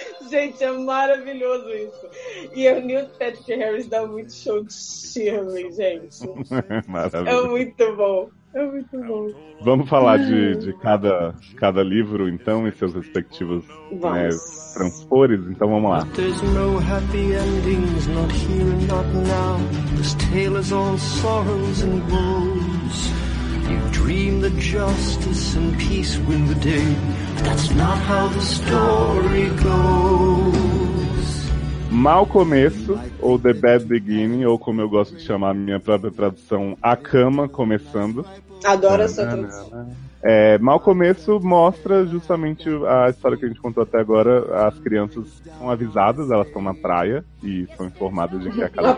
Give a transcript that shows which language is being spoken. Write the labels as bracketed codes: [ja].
[pt] Gente, é maravilhoso isso. E o Neil Patrick Harris dá muito show de Shirley, gente. Maravilha. É muito bom. É muito bom. Vamos falar de cada livro, então, e seus respectivos, né, transpores? Então vamos lá. [en] There's no happy endings, not here, not now. This tale is all sorrows and woes. You dream that justice and peace win the day. That's not how the story goes. [pt] Mal começo, ou The Bad Beginning, ou como eu gosto de chamar a minha própria tradução, A Cama Começando. Adoro essa tradução. É, Mal Começo mostra justamente a história que a gente contou até agora. As crianças são avisadas, elas estão na praia e são informadas de que a casa